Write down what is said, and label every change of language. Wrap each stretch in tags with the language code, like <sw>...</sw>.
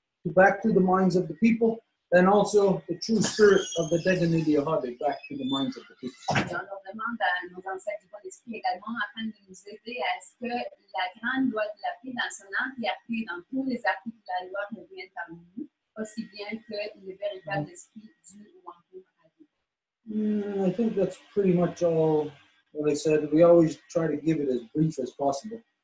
<en>Back to the minds of the people, and also the true spirit of the Degani di Ahade back to the minds of the people.</en> <fr>On leur demande à nos ancêtres du bon esprit également afin de nous aider à ce que la grande loi de la paix dans son entièreté dans tous les articles de la loi revienne parmi nous, aussi bien que le véritable esprit du Wampum Ahade.</fr> <en>I think that's pretty much all what I said. We always try to give it as brief as possible.</en>